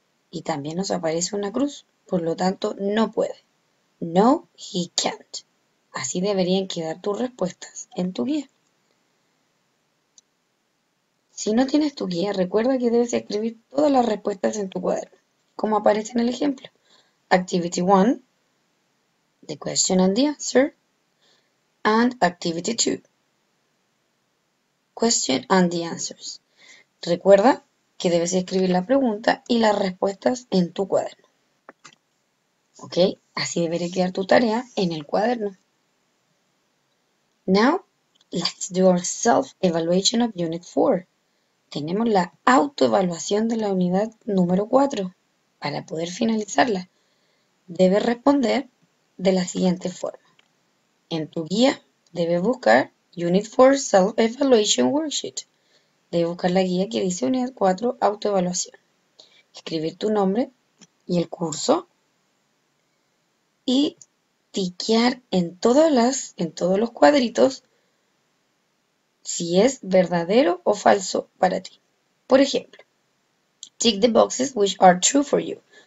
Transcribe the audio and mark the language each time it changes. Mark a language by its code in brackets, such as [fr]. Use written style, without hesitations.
[es] Y también nos aparece una cruz. Por lo tanto, no puede. [en] No, he can't. [es] Así deberían quedar tus respuestas en tu guía. Si no tienes tu guía, recuerda que debes escribir todas las respuestas en tu cuaderno, como aparece en el ejemplo. [en] Activity 1, the question and the answer, and activity 2, Question and the answers. [es] Recuerda que debes escribir la pregunta y las respuestas en tu cuaderno. Ok, así debería quedar tu tarea en el cuaderno. [en] Now, let's do our self-evaluation of Unit 4. [es] Tenemos la autoevaluación de la unidad número 4 para poder finalizarla. Debes responder de la siguiente forma. En tu guía, debes buscar Unit 4 Self-Evaluation Worksheet. Debes buscar la guía que dice Unidad 4 Autoevaluación. Escribir tu nombre y el curso. Y tiquear en todos los cuadritos si es verdadero o falso para ti. Por ejemplo, [en] tick the boxes which are true for you.